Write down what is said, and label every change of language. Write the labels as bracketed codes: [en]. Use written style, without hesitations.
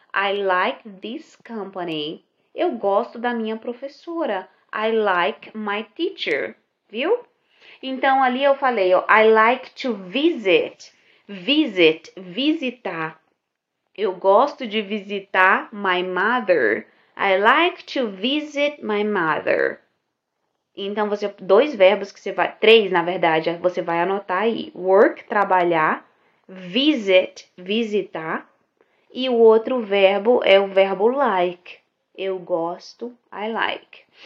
[en] I like this company. [pt] Eu gosto da minha professora. [en] I like my teacher. [pt] Viu? Então ali eu falei: ó, [en] I like to visit. [pt] Visit, visitar. Eu gosto de visitar [en] my mother. I like to visit my mother. [pt] Então você dois verbos que você vai três, na verdade, você vai anotar aí. Work, trabalhar, visit, visitar. E o outro verbo é o verbo like. Eu gosto, I like.